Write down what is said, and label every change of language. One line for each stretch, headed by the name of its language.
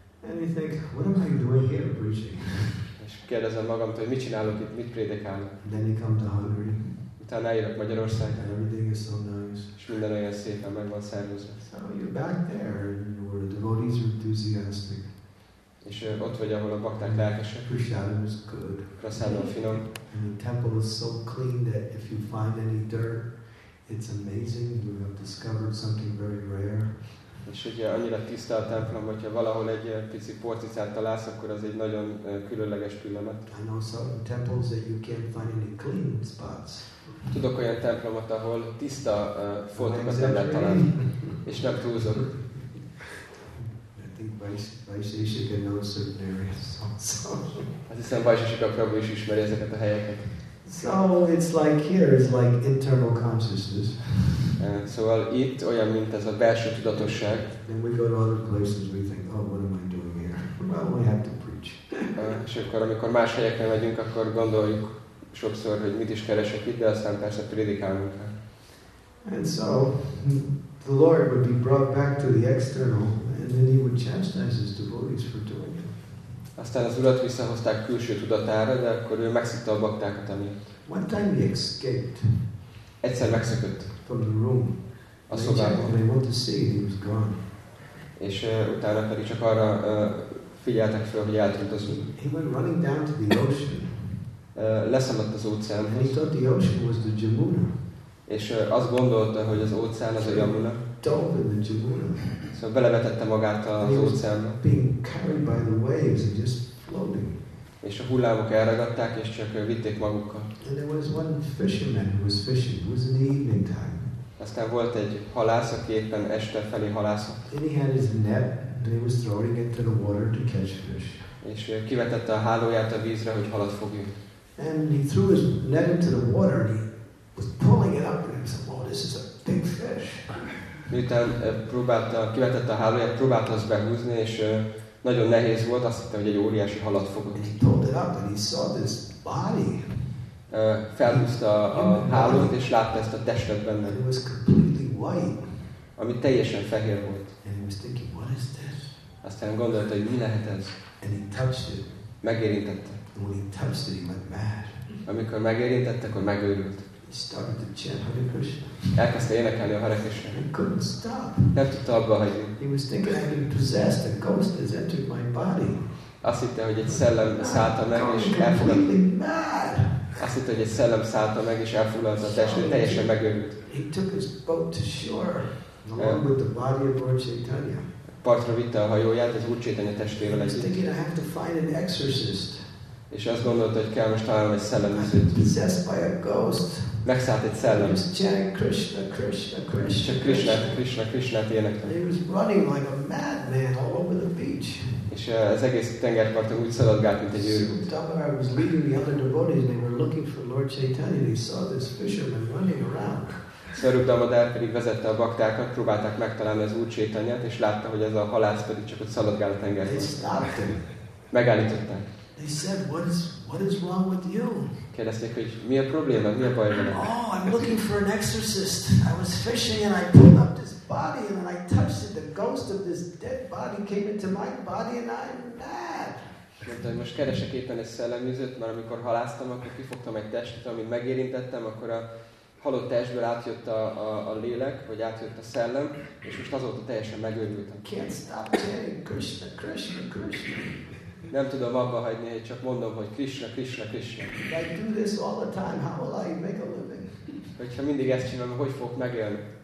English: And you think, what am I doing here preaching?
Hungarian: És kérdezem magamtól, hogy mit csinálok itt, mit prédikálok?
English: Then you come to Hungary.
Hungarian: Utána eljövök Magyarországra.
English: Everything is so nice.
Hungarian: És minden olyan szépen meg van szervezve.
English: So you're back there where the devotees are enthusiastic.
Hungarian: És ott vagy, ahol a bakták lelkesek.
English: Prasadam is good.
Hungarian: Prasadam finom.
English: And the temple is so clean that if you find any dirt, it's amazing. You have discovered something very rare.
Hungarian: És ugye annyira tiszta a templom, hogyha valahol egy pici porcicát találsz, akkor az egy nagyon különleges pillanat.
English: I know some temples that you can't find any clean spots.
Hungarian: Tudok olyan templomot, ahol tiszta foltokat nem lehet találni, és nem túlzok.
English: I think Vaisheshika knows certain areas also.
Hungarian: Azt hiszem, Vaisheshika Prabhu is ismeri ezeket a helyeket.
English: So it's like here, it's like internal consciousness.
Hungarian: Szóval itt olyan, mint ez a belső tudatosság.
English: And we go to other places, we think, oh, what am I doing here? Well, we have to preach.
Hungarian: És akkor, amikor más helyekre megyünk, akkor gondoljuk sokszor, hogy mit is keresek itt, de aztán persze prédikálunk.
English: And so the Lord would be brought back to the external, and then he would chastise his devotees for doing it.
Hungarian: Aztán az Urat visszahozták külső tudatára, de akkor ő megszitta a baktákat amiatt.
English: One time he escaped.
Hungarian: Egyszer megszökött.
English: From the room.
Hungarian: A szobában.
English: They want to see, he was gone.
Hungarian: És utána pedig csak arra figyeltek fel, hogy eltűnt az út.
English: He went running down to the ocean.
Hungarian: Leszaladt az óceánhoz.
English: And he thought the ocean was the Jamuna.
Hungarian: És azt gondolta, hogy az óceán az a Jamuna.
English: Dove in the Jamuna.
Hungarian: Szóval belevetette magát az óceánba.
English: Being carried by the waves and just floating.
Hungarian: És a hullámok elragadták, és csak vitték magukkal.
English: And there was one fisherman who was fishing. It was in the evening time.
Hungarian: Aztán volt egy halász, aki éppen este felé halászott.
English: And he had his net, and he was throwing it to the water to catch fish.
Hungarian: És kivetette a hálóját a vízre, hogy halat fogjon.
English: And he threw his net into the water, and he was pulling it up, and he said, "Oh, this is a big fish."
Hungarian: Miután kivetette a hálóját, próbálta azt behúzni, és nagyon nehéz volt, azt hittem, hogy egy óriási halat fogott.
English: And he pulled it up, and he saw this body.
Hungarian: Felhúzta a hálót, és látta ezt a testet benne.
English: It was completely white.
Hungarian: Ami teljesen fehér volt.
English: And he was thinking, what is this?
Hungarian: Aztán gondolta, hogy mi lehet ez.
English: And he touched it.
Hungarian: Megérintette.
English: And when he touched it, he went mad.
Hungarian: Amikor megérintette, akkor megőrült.
English: He started to chant Hare Krishna.
Hungarian: Elkezdte énekelni a Hare Krishna.
English: He couldn't stop.
Hungarian: Nem tudta abba hagyni.
English: He was thinking, I've been possessed, a ghost has entered my body.
Hungarian: Azt hitte, hogy egy szellem szállta meg, és elfoglalt. Azt hitte, hogy egy szellem szállta meg, és elfoglalt a testet, teljesen megőrült.
English: He took his boat to shore, along with the body of Lord Chaitanya.
Hungarian: Partra vitte a hajóját, az Úr Chaitanya testvére
English: legyen. He was thinking, I have to find an exorcist.
Hungarian: És azt gondolta, hogy kell most találnom egy szellemüzőt.
English: Possessed by a ghost.
Hungarian: Megszállt egy szellem.
English: Just chanting Krishna, Krishna, Krishna.
Hungarian: Csak Krishna-t énekelt.
English: He was running like a madman all over the beach.
Hungarian: És az egész tengerparton úgy szaladgált, mint egy őrült.
English: Sukadeva was leading the other devotees, they were looking for Lord Chaitanya. They saw this fisherman running around.
Hungarian: Sukadeva pedig vezette a baktákat, próbálták megtalálni az Úr Chaitanyát, és látta, hogy ez a halász pedig csak ott szaladgál a tengerben.
English: They stopped him.
Hungarian: Megállították.
English: They said, what is wrong with you?
Hungarian: Kérdezték, hogy mi a probléma, mi a baj van?
English: Oh, I'm looking for an exorcist. I was fishing and I pulled up this body and then I touched it. The ghost of this dead body came into my body and I'm mad.
Hungarian: Mondta, hogy most keresek éppen egy szellemüzőt, mert amikor haláztam, akkor kifogtam egy testet, amit megérintettem, akkor a halott testből átjött a lélek, vagy átjött a szellem, és most azóta teljesen megőrültem.
English: Can't stop chanting Krishna, Krishna, Krishna.
Hungarian: Nem tudom abba hagyni, hogy csak mondom, hogy Krishna, Krishna, Krishna.
English: If I do this all the time, how will I make a living?
Hungarian: Hogyha mindig ezt csinálom, hogy fogok megélni?